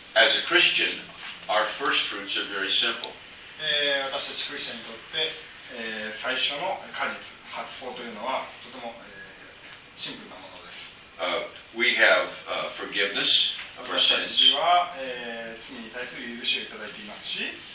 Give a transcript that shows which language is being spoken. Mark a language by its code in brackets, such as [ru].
[en] As a Christian, our first fruits are very simple. [ja] 私たちクリスチャンにとって、最初の果実、初穂というのはとても、シンプルなものです。 [en] We have forgiveness of our sins. [ja] 私たちは、罪に対する許しをいただいていますし、